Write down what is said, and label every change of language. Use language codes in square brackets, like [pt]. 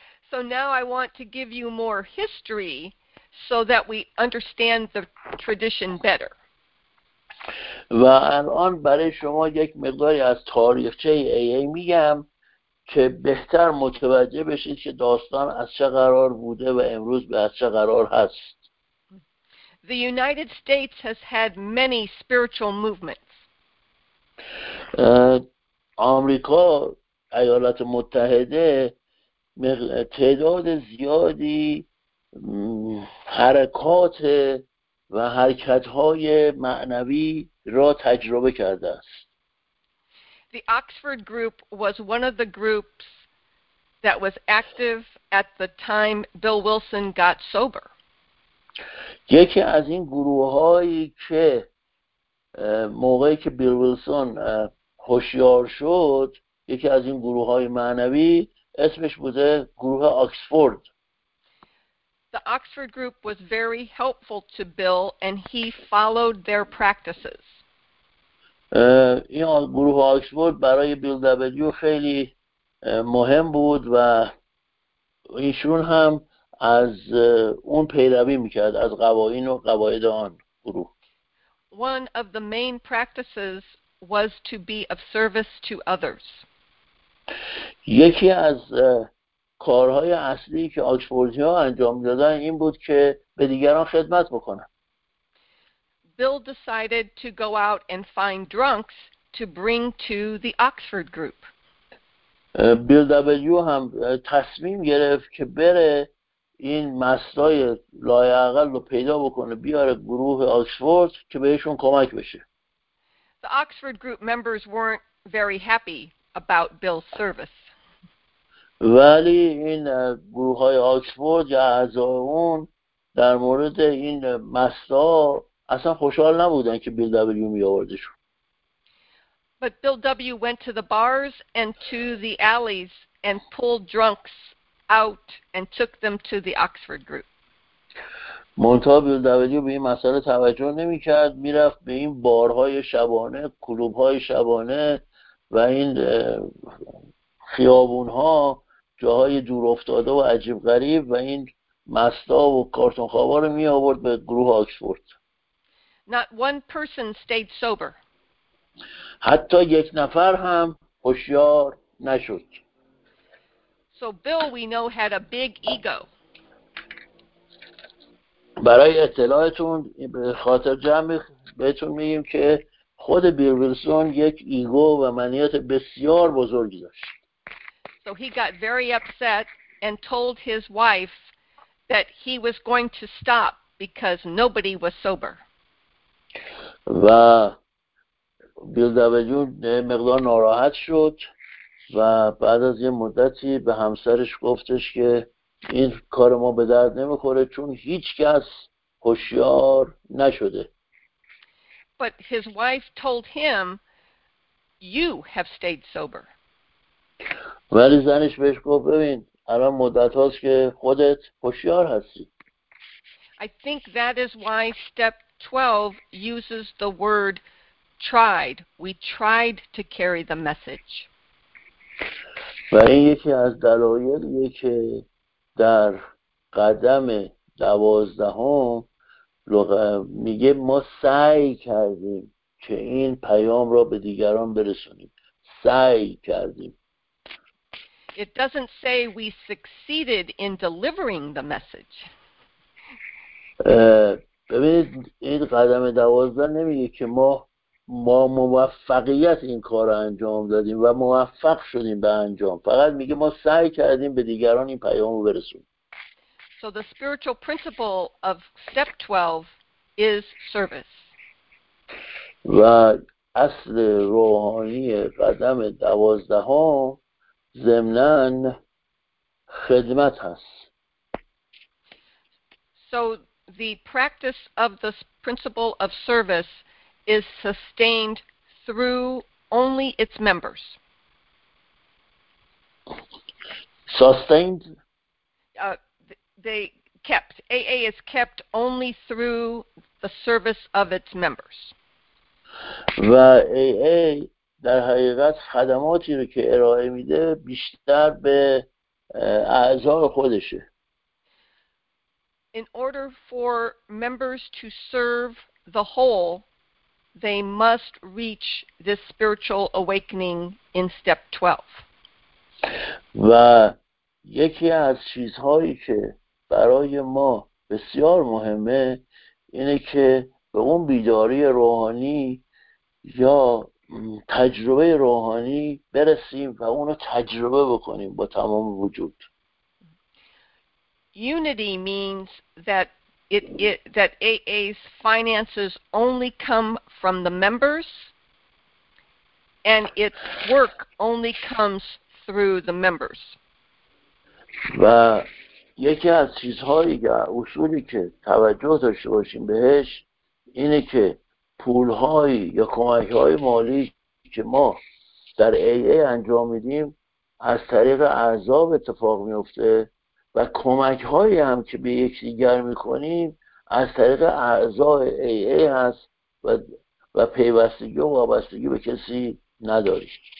[en] So now I want to give you more history so that we understand the tradition better. [fa] و الان برای شما یک مقداری از تاریخچه AA میگم که بهتر متوجه بشید که داستان از چه قرار بوده و امروز به از چه قرار هست. [en] The United States has had many spiritual movements. [fa] آمریکا، ایالات متحده، تعداد زیادی حرکات و حرکت‌های معنوی را تجربه کرده است. [en] The Oxford group was one of the groups that was active at the time Bill Wilson got sober. [fa] یکی از این گروه‌هایی که موقعی که بیل ویلسون هوشیار شد، یکی از این گروه‌های معنوی اسمش بوده گروه آکسفورد. [en] The Oxford group was very helpful to Bill and he followed their practices. [fa] این گروه آکسفورد برای بیل دبلیو خیلی مهم بود و ایشون هم از اون پیروی میکرد، از قوانین و قواعد آن گروه. [en] One of the main practices was to be of service to others. [fa] یکی از کارهای اصلی که آکسفوردی ها انجام دادن این بود که به دیگران خدمت بکنن. [en] Bill decided to go out and find drunks to bring to the Oxford group. [fa] بیل دبلیو هم تصمیم گرفت که بره این مستای لایعقل رو پیدا بکنه، بیاره گروه آکسفورد که بهشون کمک بشه. [en] The Oxford group members weren't very happy about Bill's service. [fa] ولی این گروه های آکسفورد یا اعضای اون در مورد این مستا اصلا خوشحال نبودن که بیل دبلیو می آوردشون. [en] But Bill W. went to the bars and to the alleys and pulled drunks out and took them to the Oxford group. [fa] منتها بیل دبلیو به این مسئله توجه نمی کرد. می رفت به این بارهای شبانه، کلوبهای شبانه و این خیابونها، جاهای دور افتاده و عجیب غریب، و این مستا و کارتون خوابا رو می آورد به گروه آکسفورد. [en] Not one person stayed sober. [fa] حتی یک نفر هم هوشیار نشد. [en] So Bill, we know, had a big ego. [fa] برای اطلاعتون، به خاطر جمع بهتون میگیم که خود بیل ویلسون یک ایگو و منیت بسیار بزرگی داشت. [en] So he got very upset and told his wife that he was going to stop because nobody was sober. [fa] و بیل دبلیو مقدار ناراحت شد و بعد از یه مدتی به همسرش گفتش که این کار ما به درد نمیخوره چون هیچ کس هوشیار نشده. [en] But his wife told him, you have stayed sober. [fa] ولی زنش بهش گفت ببین الان مدت هاست که خودت هوشیار هستی. [en] I think that is why step 12 uses the word tried. We tried to carry the message. [fa] و این یکی از دلایلیه که در قدم 12 میگه ما سعی کردیم که این پیام را به دیگران برسونیم. سعی کردیم. [en] It doesn't say we succeeded in delivering the message. [fa] ببینید این قدم 12 نمیگه که ما موفقیت این کار رو انجام دادیم و موفق شدیم به انجام، فقط میگه ما سعی کردیم به دیگران این پیام رو برسونیم. [en] So the spiritual principle of step 12 is service. [fa] و اصل روحانی قدم 12 ضمناً خدمت هست. [en] So the practice of the principle of service is sustained through only its members. Sustained? They kept. AA is kept only through the service of its members. [fa] و AA در حقیقت خدماتی رو که ارائه میده بیشتر به اعضای خودشه. [en] In order for members to serve the whole, they must reach this spiritual awakening in step 12. [fa] و یکی از چیزهایی که برای ما بسیار مهمه اینه که به اون بیداری روحانی یا تجربه روحانی برسیم و اونو تجربه بکنیم با تمام وجود. [en] Unity means that that AA's finances only come from the members and its work only comes through the members. [fa] و یکی از چیزهایی که اصولی که توجه داشته باشیم بهش اینه که پولهایی یا کمکهای مالی که ما در AA انجام میدیم از طریق اعضا اتفاق میفته و کمکهایی هم که به یک دیگر میکنیم از طریق اعضای AA هست و پیوستگی و وابستگی به کسی نداری.